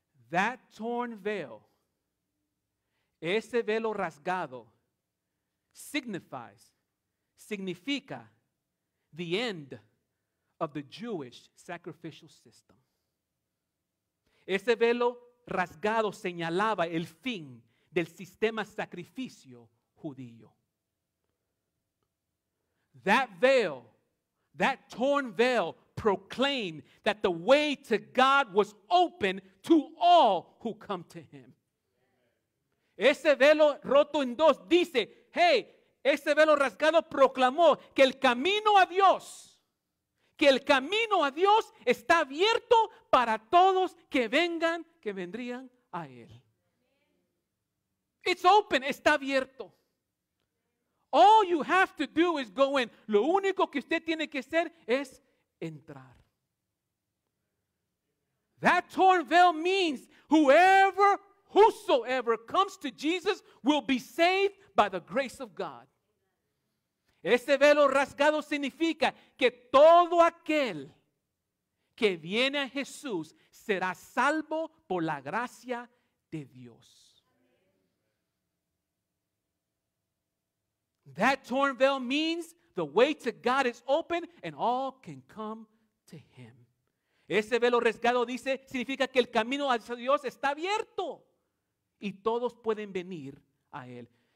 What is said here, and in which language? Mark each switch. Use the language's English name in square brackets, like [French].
[English] That torn veil, [Spanish] ese velo rasgado, significa [English] the end of the Jewish sacrificial system. [Spanish] Ese velo rasgado señalaba el fin del sistema sacrificio judío. [English] That veil, that torn veil proclaimed that the way to God was open to all who come to him. [Spanish] Ese velo roto en dos dice, hey, ese velo rasgado proclamó que el camino a Dios está abierto para todos que vendrían a él. [English] It's open, [Spanish] está abierto. [English] All you have to do is go in. [Spanish] Lo único que usted tiene que hacer es entrar. [English] That torn veil means whosoever comes to Jesus will be saved by the grace of God. [Spanish] Este velo rasgado significa que todo aquel que viene a Jesús será salvo por la gracia de Dios. [English] That torn veil means the way to God is open and all can come to Him. [Spanish] Ese velo rasgado dice, significa que el camino hacia Dios está abierto y todos pueden venir a Él.